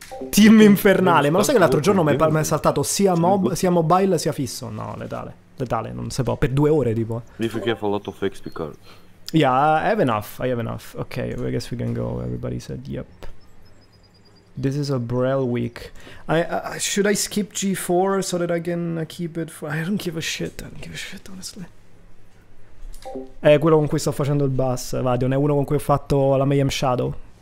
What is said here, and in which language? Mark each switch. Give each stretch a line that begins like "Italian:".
Italian: Team Infernale. Ma lo sai che l'altro giorno mi è saltato sia mobile sia fisso? No, letale, non si può. Per 2 ore, tipo.
English: If you have a lot of XP cards. Yeah, I have enough. Okay, I guess we can go. Everybody said, yep. This is a Brel week. Should I skip G4 so that I can keep it for... I don't give a shit, honestly.
Italian: È quello con cui sto facendo il bus, Vadion. È uno con cui ho fatto la Mayhem Shadow.